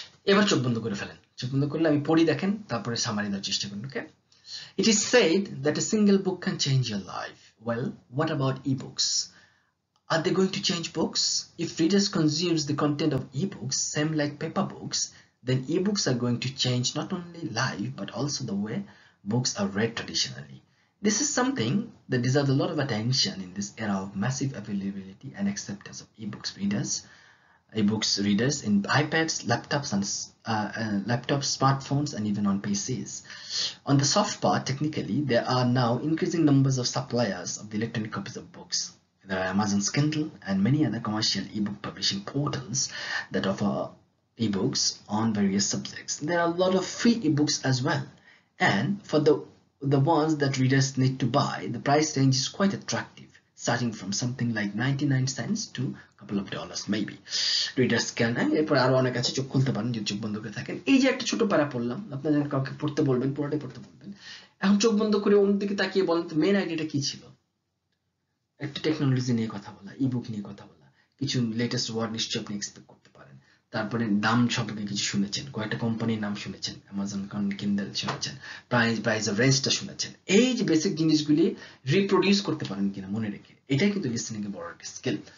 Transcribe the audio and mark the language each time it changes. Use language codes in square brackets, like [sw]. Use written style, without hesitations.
[bn] এবার চোখ বন্ধ করে ফেলেন, চোখ বন্ধ করলে আমি পড়ি দেখেন, তারপরে সামারি দেওয়ার চেষ্টা করুন। [en] Okay, it is said that a single book can change your life, well what about e books? Are they going to change books? If readers consumes the content of e books same like paper books, then e-books are going to change not only life but also the way books are read traditionally. This is something that deserves a lot of attention in this era of massive availability and acceptance of e-books readers. E-books readers in iPads, laptops, and laptops, smartphones, and even on PCs. On the soft part, technically, there are now increasing numbers of suppliers of the electronic copies of books. There are Amazon's Kindle and many other commercial e-book publishing portals that offer ebooks on various subjects. There are a lot of free ebooks as well, and for the ones that readers need to buy, the price range is quite attractive, starting from something like 99 cents to a couple of dollars maybe. Readers can [bn] এরপরে আরো অনেক আছে, চোখ খুলতে পারেন যদি চোখ বন্ধ করে থাকেন। এই যে একটা ছোট প্যারা পড়লাম, আপনার যেন কাউকে পড়তে বলবেন, পুরোটাই পড়তে বলবেন, এখন চোখ বন্ধ করে অন্যদিকে তাকিয়ে বলেন তো মেন আইডিয়াটা কি ছিল। একটা টেকনোলজি নিয়ে কথা বলা, ইবুক নিয়ে কথা বলা, কিছু লেটেস্ট ওয়ার্ড নিশ্চয়ই আপনি এক্সপেক্ট করতে পারেন, তারপরে দাম সম্পর্কে কিছু শুনেছেন, কয়েকটা কোম্পানির নাম শুনেছেন, অ্যামাজন, কিন্ডেল শুনেছেন, প্রাইসের রেঞ্জটা শুনেছেন, এই যে বেসিক জিনিসগুলি রিপ্রোডিউস করতে পারেন কিনা মনে রেখে, এটাই কিন্তু লিসেনিংয়ের বড় একটা স্কিল।